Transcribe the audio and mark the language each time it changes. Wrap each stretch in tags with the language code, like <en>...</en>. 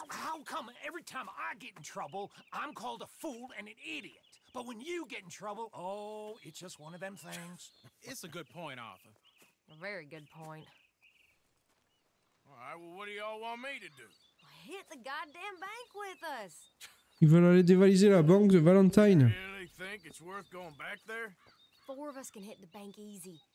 <en>How come every time I get in trouble, I'm called a fool and an idiot? But when you get in trouble, oh, it's just one of them things. It's a good point, Arthur. A very good point. All right, well, what do y'all want me to do? Hit the goddamn bank with us.</en> <fr>Ils veulent aller dévaliser la banque de Valentine.</fr> <en>You really think it's worth going back there? Four of us can hit the bank easy.</en>